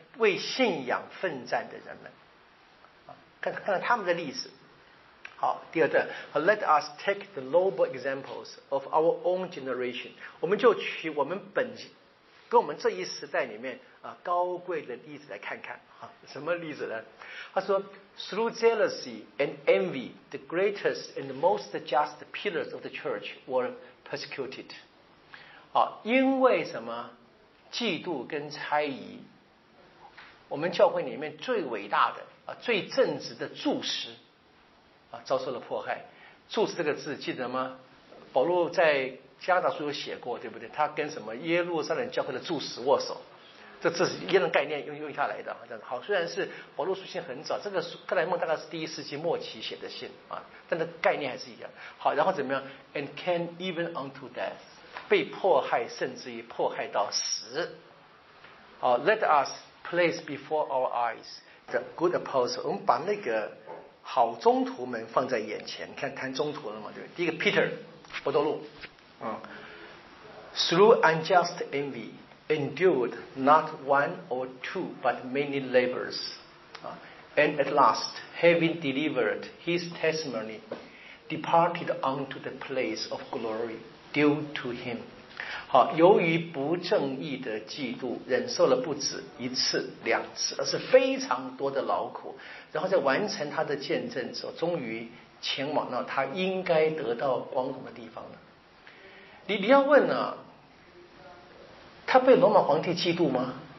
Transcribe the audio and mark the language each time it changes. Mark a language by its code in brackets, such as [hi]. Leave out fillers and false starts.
[zh] 为信仰奋战的人们。啊，看看他们的例子。好，第二段 [en] ，Let us take the noble examples of our own generation。 [zh] 我们就取我们本，跟我们这一时代里面啊高贵的例子来看看啊，什么例子呢？他说 [en] ，Through jealousy and envy, the greatest and the most just pillars of the church were persecuted。 [zh] 啊，因为什么？嫉妒跟猜疑，我们教会里面最伟大的啊，最正直的柱石。遭受了迫害，柱子这个字记得吗？保罗在加拿大书有写过，对不对？他跟什么耶路撒冷教会的柱石握手，这字是一样概念用下来的。好，虽然是保罗书信很早，这个克莱孟大概是第一世纪末期写的信啊，但的概念还是一样。好，然后怎么样 [en] ？And can even unto death， [zh] 被迫害甚至于迫害到死。好 [en] ，Let us place before our eyes the good apostles， [zh] 我们把那个。好中途们放在眼前，你看谈中途了嘛，对不对？第一个 [en] Peter [zh] 伯多禄、嗯、 [en] Through unjust envy endured not one or two but many labors、and at last having delivered his testimony departed unto the place of glory due to him。 [zh] 好，由于不正义的嫉妒忍受了不止一次两次，而是非常多的劳苦，然后在完成他的见证之后，终于前往了他应该得到光荣的地方了。你要问啊，他被罗马皇帝嫉妒吗？